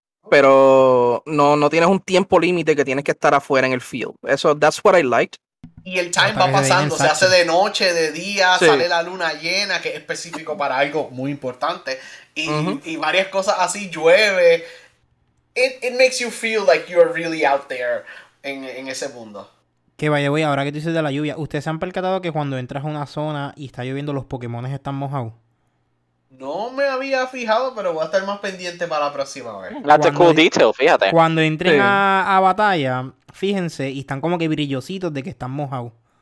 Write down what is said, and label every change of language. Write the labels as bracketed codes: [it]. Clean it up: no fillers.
[es] Pero no tienes un tiempo límite que tienes que estar afuera en el field. [en] Eso, that's what I liked. [es] Y el time va pasando, se hace de noche, de día, sí. Sale la luna llena, que es específico para algo muy importante. Y, uh-huh. Y varias cosas así, llueve. [en] It makes you feel like you're really out there [es] en ese mundo. Que vaya, voy, ahora que tú dices de la lluvia, ¿ustedes se han percatado que cuando entras a una zona y está lloviendo, los Pokémones están mojados? No me había fijado, pero voy a estar más pendiente para la próxima vez. [en] That's cuando, a cool detail, fíjate. [es] Cuando entren a batalla, fíjense, y están como que brillositos de que están mojados.